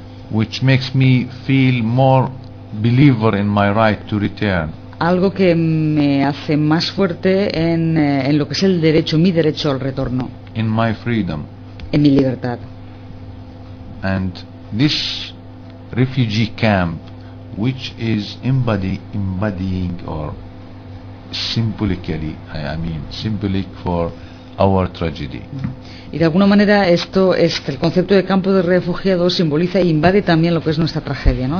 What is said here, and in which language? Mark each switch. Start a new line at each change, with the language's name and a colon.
English: Which makes me feel more believer in my right to return.
Spanish: Algo que me hace más fuerte en lo que es el derecho, mi derecho al retorno.
English: In my freedom.
Spanish: En mi libertad.
English: And this refugee camp, which is embodying or symbolically, symbolic for our tragedy.
Spanish: Y de alguna manera esto, el concepto de campo de refugiados simboliza e invade también lo que es nuestra tragedia, ¿no?